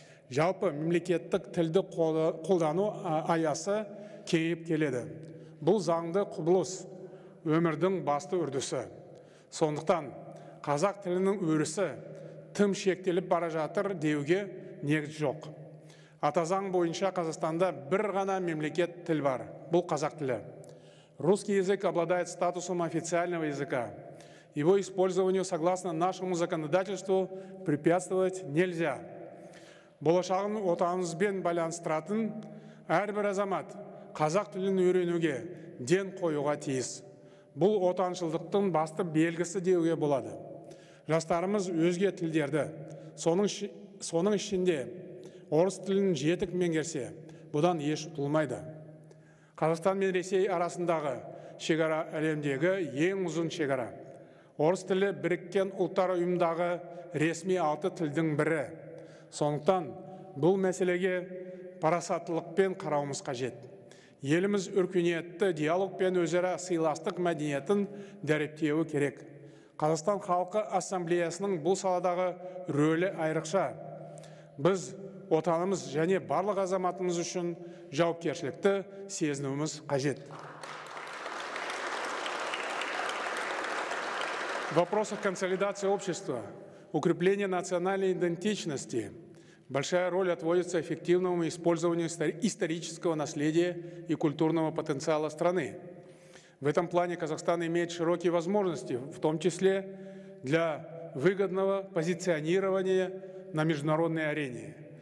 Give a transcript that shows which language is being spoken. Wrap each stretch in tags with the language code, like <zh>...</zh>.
<kk>Жалпы мемлекеттік тілді қолдану аясы кеңейіп келеді. Бұл заңды құбылыс. өмірдің басты үрдісі. Сондықтан қазақ тілінің өрісі тым шектеліп бара жатыр деуге негіз жоқ. Атазаң бойынша Қазақстанда бір ғана мемлекет тіл бар. Бұл қазақ тілі.</kk> <ru>Русский язык обладает статусом официального языка. Его использованию, согласно нашему законодательству, препятствовать нельзя.</ru> <kk>Болашағын отанызбен байланыстыратын әрбір азамат қазақ тілін үйренуге ден қоюға тиіс. Бұл отаншылдықтың басты белгісі деуге болады. Жастарымыз өзге тілдерді, соның ішінде орыс тілін жетік меңгерсе, бұдан еш ұтылмайды. Қазақстан мен Ресей арасындағы шекара әлемдегі ең ұзын шекара. Орыс тілі Біріккен ұлттар ұйымындағы ресми 6 тілдің бірі. Сондықтан бұл мәселеге парасаттылықпен қарауымыз қажет. Еліміз өркениетті диалог пен өзара сыйластық мәдениетін дәріптеуі керек. Қазақстан халқы ассамблеясының бұл саладағы рөлі айрықша. Біз отанымыз және барлық азаматымыз үшін жауапкершілікті сезінуіміз қажет.</kk> <ru>В вопросах консолидации общества, укрепления национальной идентичности большая роль отводится эффективному использованию исторического наследия и культурного потенциала страны. В этом плане Казахстан имеет широкие возможности, в том числе для выгодного позиционирования на международной арене.</ru>